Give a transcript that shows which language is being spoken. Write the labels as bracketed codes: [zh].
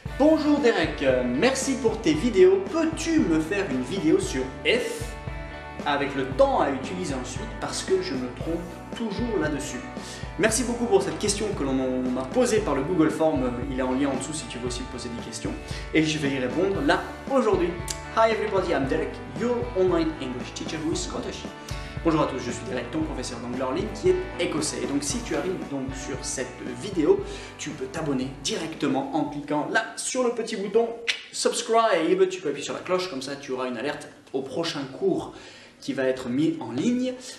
[fr] Bonjour Derek, merci pour tes vidéos. Peux-tu me faire une vidéo sur F avec le temps à utiliser ensuite parce que je me trompe toujours là-dessus. Merci beaucoup pour cette question que l'on m'a posée par le Google Form. Il est en lien en dessous si tu veux aussi poser des questions. Et je vais y répondre là, aujourd'hui. [en] Hi everybody, I'm Derek, your online English teacher who is Scottish. [fr] Bonjour à tous, je suis Derek, ton professeur d'anglais en ligne qui est écossais. Et donc si tu arrives donc sur cette vidéo, tu peux t'abonner directement en cliquant là sur le petit bouton subscribe. Tu peux appuyer sur la cloche, comme ça tu auras une alerte au prochain cours qui va être mis en ligne.